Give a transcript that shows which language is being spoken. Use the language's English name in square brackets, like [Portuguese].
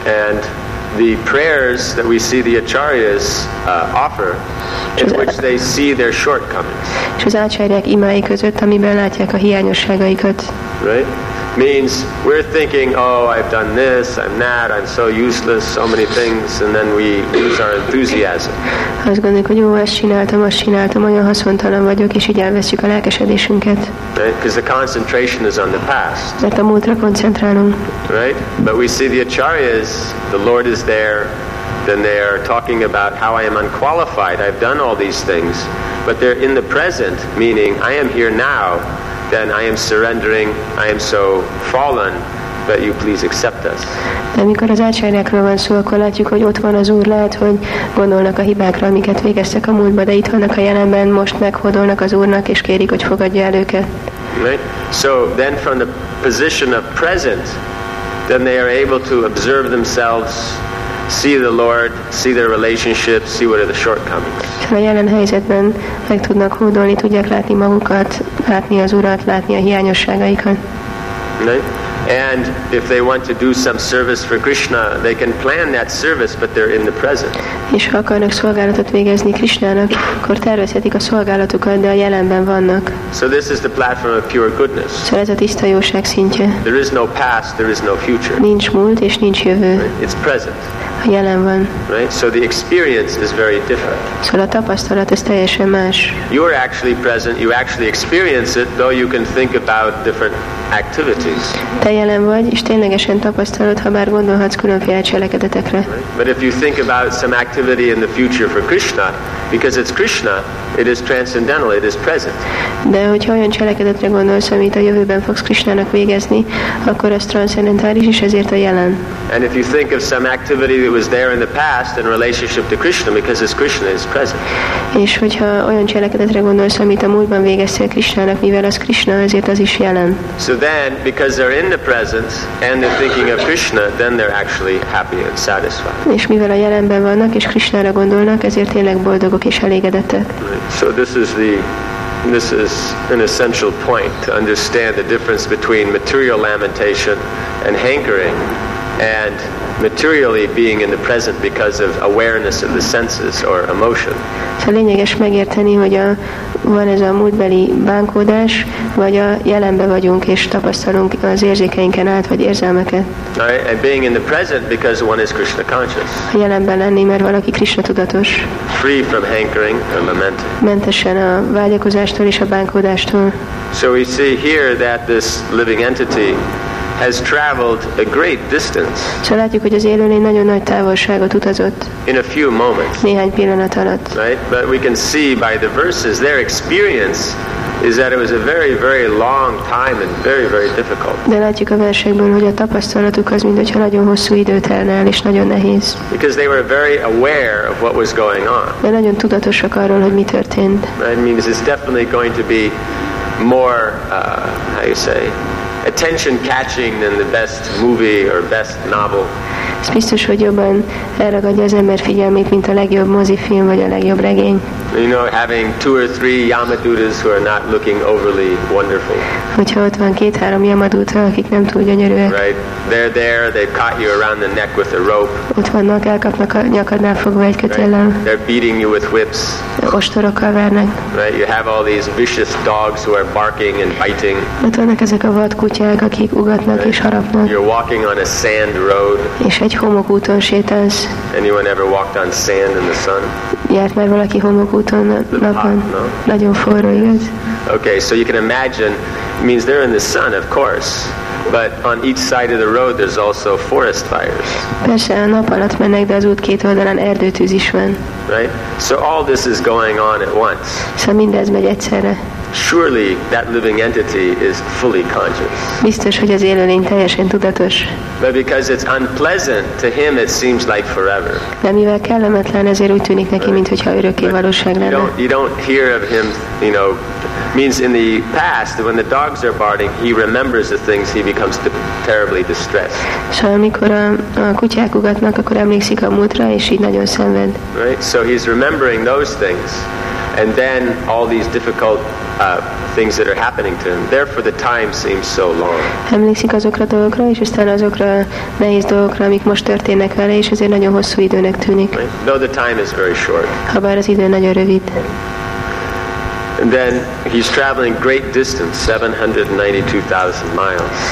[English] And the prayers that we see the acharyas offer, in which they see their shortcomings. [Hungarian] És az ácsárják imái között, amiben látják a hiányosságaikat. [English] Right? Means we're thinking, oh, I've done this, I'm that, I'm so useless, so many things, and then we lose our enthusiasm. [Hungarian] Azt gondoljuk, hogy jó, ezt csináltam, olyan haszontalan vagyok, és így elvesztjük a lelkesedésünket. [English] Because the concentration is on the past. [Hungarian] Mert a múltra koncentrálunk. [English] Right? But we see the acharyas, the Lord is there, then they are talking about how I am unqualified, I've done all these things. But they're in the present, meaning I am here now, then I am surrendering, I am so fallen, but you please accept us. [Hungarian] De amikor az ácsárjákról van szó, akkor látjuk, hogy ott van az Úr, lehet, hogy gondolnak a hibákra, amiket végeztek a múltban, de itt vannak a jelenben, most meghódolnak az Úrnak, és kérik, hogy fogadja el őket. [English] Right? So then from the position of present, then they are able to observe themselves, see the Lord, see their relationships, see what are the shortcomings. [Hungarian] A jelen helyzetben meg tudnak hódolni, tudják látni magukat, látni az Urat, látni a hiányosságaikat. [English] Right? And if they want to do some service for Krishna, they can plan that service, but they're in the present. [Hungarian] És ha akarnak szolgálatot végezni Krishnának, akkor tervezhetik a szolgálatukat, de a jelenben vannak. [English] So this is the platform of pure goodness. [Hungarian] Szóval ez a tiszta jóság szintje. [English] There is no past, there is no future. [Hungarian] Nincs múlt és nincs jövő. [English] Right? It's present. [Hungarian] A jelen van. [English] Right? So the experience is very different. [Hungarian] Szóval a tapasztalat ez teljesen más. [English] You are actually present, you actually experience it, though you can think about different activities. [Hungarian] Te jelen vagy, és ténylegesen tapasztalod, ha bár gondolhatsz különféle cselekedetekre. [English] But if you think about some activity in the future for Krishna, because it's Krishna, it is transcendental, it is present. [Hungarian] De hogyha olyan cselekedetre gondolsz, amit a jövőben fogsz Krishnának végezni, akkor ez transzendentális, és ezért a jelen. [English] And if you think of some activity that was there in the past in relationship to Krishna, because it's Krishna, it's present. [Hungarian] És hogyha olyan cselekedetre gondolsz, amit a múltban végeztél Krishnának, mivel az Krishna, ezért az is jelen. [English] So then, because they're in the present and they're thinking of Krishna, then they're actually happy and satisfied. [Hungarian] És mivel a jelenben vannak és Krishnára gondolnak, ezért tényleg boldogok és elégedettek. [English] So this is an essential point to understand the difference between material lamentation and hankering and materially being in the present because of awareness of the senses or emotion. [Hungarian] A lényeges megérteni, hogy van ez a múltbeli bánkódás, vagy a jelenben vagyunk és tapasztalunk az érzékeinken át, vagy érzelmeket. [English] Right, and being in the present because one is Krishna conscious. [Hungarian] A jelenben lenni, mert valaki Krishna tudatos. [English] Free from hankering or lamenting. [Hungarian] Mentesen a vágyakozástól és a bánkódástól. [English] So we see here that this living entity has traveled a great distance. [Hungarian] So látjuk, hogy az élőlény nagyon nagy távolságot utazott. [English] In a few moments. [Hungarian] Néhány pillanat alatt. [English] Right? But we can see by the verses their experience is that it was a very, very long time and very, very difficult. [Hungarian] De látjuk a versekből, hogy a tapasztalatuk az, mintha nagyon hosszú időt elnél, és nagyon nehéz. [English] Because they were very aware of what was going on. [Hungarian] De nagyon tudatosak arról, hogy mi történt. [English] That means it's definitely going to be more, how you say, attention-catching than the best movie or best novel. [Hungarian] Ez biztos, hogy jobban elragadja az ember figyelmét, mint a legjobb mozifilm vagy a legjobb regény. [English] You know, having two or three Yamadutas who are not looking overly wonderful. [Hungarian] Hogyha ott van két-három Yamaduta, akik nem túl gyönyörűek. [English] Right, they're there. They've caught you around the neck with a rope. [Hungarian] Ott vannak, elkapnak a nyakadnál fogva egy kötéllel. [English] Right. They're beating you with whips. [Hungarian] Ostorokkal vernek. [English] Right, you have all these vicious dogs who are barking and biting. [Hungarian] Ott vannak ezek a vad kutyák, akik ugatnak right. és harapnak. [English] You're walking on a sand road. [Hungarian] És egy homokúton sétálsz. [English] Anyone ever walked on sand in the sun? [Hungarian] Járt már valaki homokúton napon? [English] No. [Hungarian] Nagyon forró, igaz? [English] Okay, so you can imagine, means they're in the sun, of course, but on each side of the road there's also forest fires. [Hungarian] Persze, a nap alatt mennek, de az út két oldalán erdőtűz is van. [English] Right? So all this is going on at once. [Hungarian] Szóval mindez megy egyszerre. [English] Surely that living entity is fully conscious. [Hungarian] Biztos, hogy az élőlény teljesen tudatos. [English] But because it's unpleasant to him, it seems like forever. [Hungarian] De mivel kellemetlen, ezért úgy tűnik neki, right. mintha örökké valóság lenne. [English] You don't hear of him, you know, means in the past when the dogs are barking, he remembers the things. He becomes terribly distressed. [Hungarian] So, amikor a kutyák ugatnak, akkor emlékszik a múltra, és így nagyon szenved. [English] Right. So he's remembering those things. And then all these difficult things that are happening to him. Therefore, the time seems so long. [Hungarian] Emlékszik azokra a dolgokra, és aztán azokra nehéz dolgokra, amik most történnek vele, és ezért nagyon hosszú időnek tűnik. [English] Right? Though the time is very short. [Hungarian] Habár az idő nagyon rövid. [English] And then he's traveling great distance, 792,000 miles.